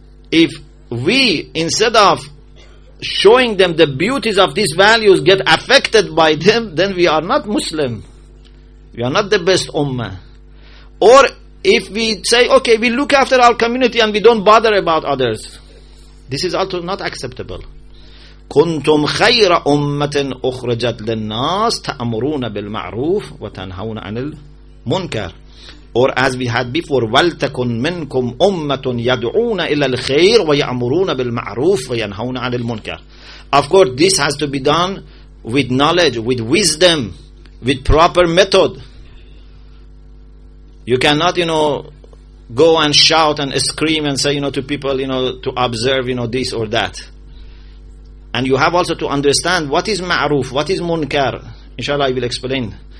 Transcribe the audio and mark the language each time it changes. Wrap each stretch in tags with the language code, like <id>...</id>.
<en>If we, instead of showing them the beauties of these values, get affected by them, then we are not Muslim. We are not the best ummah. Or if we say, okay, we look after our community and we don't bother about others, this is also not acceptable.</en> <ar>كنتم خير أمة أخرجت للناس تأمرون بالمعروف وتنهون عن المنكر.</ar> <en>Or as we had before,</en> <ar>ولتكن منكم أمة يدعون إلى الخير ويأمرون بالمعروف وينهون عن المنكر.</ar> <en>Of course, this has to be done with knowledge, with wisdom, with proper method. You cannot, you know, go and shout and scream and say, you know, to people, you know, to observe, you know, this or that. And you have also to understand what is ma'ruf, what is munkar. Inshallah, I will explain.</en>